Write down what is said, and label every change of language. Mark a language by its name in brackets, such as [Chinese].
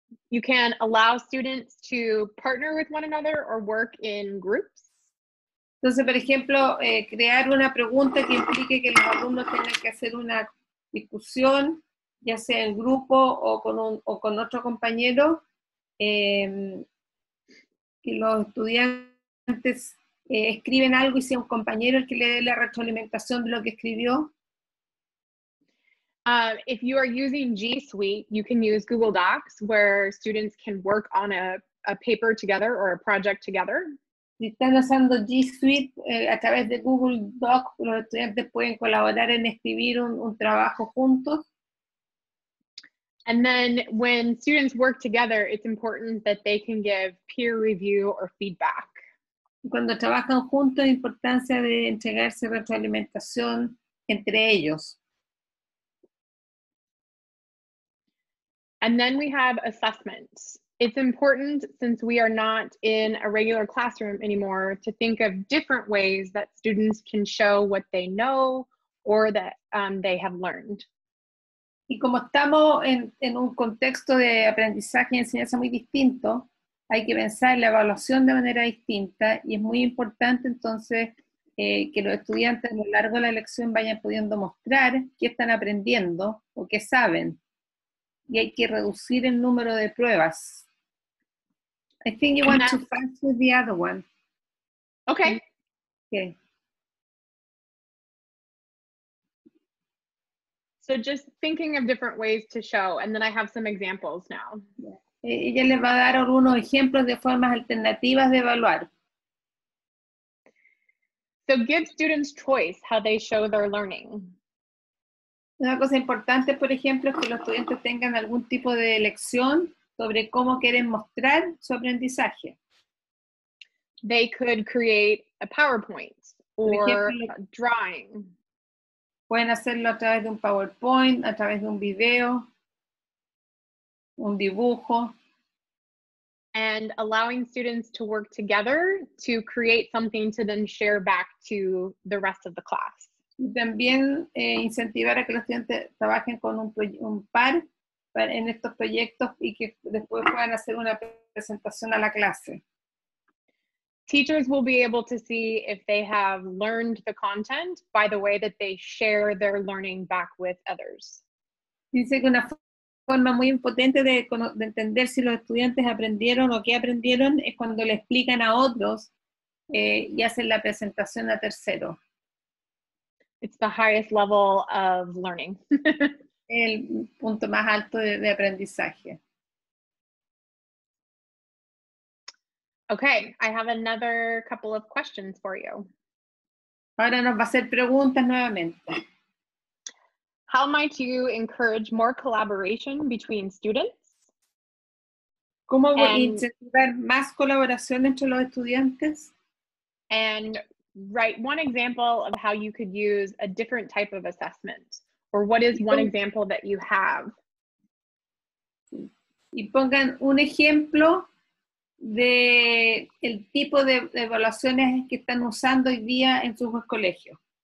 [English] You can allow students to partner with one another or work in groups. [Spanish] Entonces, por ejemplo, crear una pregunta que implique que los alumnos tengan que hacer una discusión, ya sea en grupo o con otro compañero, que los estudiantes escriben algo y sea un compañero el que le dé la retroalimentación de lo que escribió. [English] If you are using G Suite, you can use Google Docs where students can work on a paper together or a project together. [Spanish] Si están usando G Suite, a través de Google Docs, los estudiantes pueden colaborar en escribir un trabajo juntos. [English] And then when students work together, it's important that they can give peer review or feedback. [Spanish] Cuando trabajan juntos, la importancia de entregarse retroalimentación entre ellos. [English] And then we have assessment. It's important, since we are not in a regular classroom anymore, to think of different ways that students can show what they know or that they have learned. [Spanish] Y como estamos en un contexto de aprendizaje y enseñanza muy distinto, hay que pensar en la evaluación de manera distinta, y es muy importante entonces que los estudiantes a lo largo de la lección vayan pudiendo mostrar qué están aprendiendo o qué saben. Y hay que reducir el número de pruebas. [English] I think you want to fast with the other one. Okay. Okay. So just thinking of different ways to show, and then I have some examples now. [Spanish] Ella les va a dar algunos ejemplos de formas alternativas de evaluar. [English] So give students choice how they show their learning. [Spanish] Una cosa importante, por ejemplo, es que los estudiantes tengan algún tipo de elección sobre cómo quieren mostrar su aprendizaje. [English] They could create a PowerPoint or drawing. [Spanish] Pueden hacerlo a través de un PowerPoint, a través de un video, un dibujo. [English] And allowing students to work together to create something to then share back to the rest of the class. [Spanish] También incentivar a que los estudiantes trabajen con un par en estos proyectos y que después puedan hacer una presentación a la clase. [English] Teachers will be able to see if they have learned the content by the way that they share their learning back with others. [Spanish] Dice que una forma muy importante de entender si los estudiantes aprendieron o qué aprendieron es cuando le explican a otros y hacen la presentación a tercero. [English] It's the highest level of learning. [Spanish] El punto más alto de aprendizaje. [English] Okay, I have another couple of questions for you. [Spanish] Ahora nos va a hacer preguntas nuevamente. [English] How might you encourage more collaboration between students? [Spanish] ¿Cómo voy a incentivar más colaboración entre los estudiantes? [English] And write one example of how you could use a different type of assessment. Or what is one example that you have? [Spanish] Y pongan un ejemplo de el tipo de evaluaciones que están usando hoy día en sus colegios.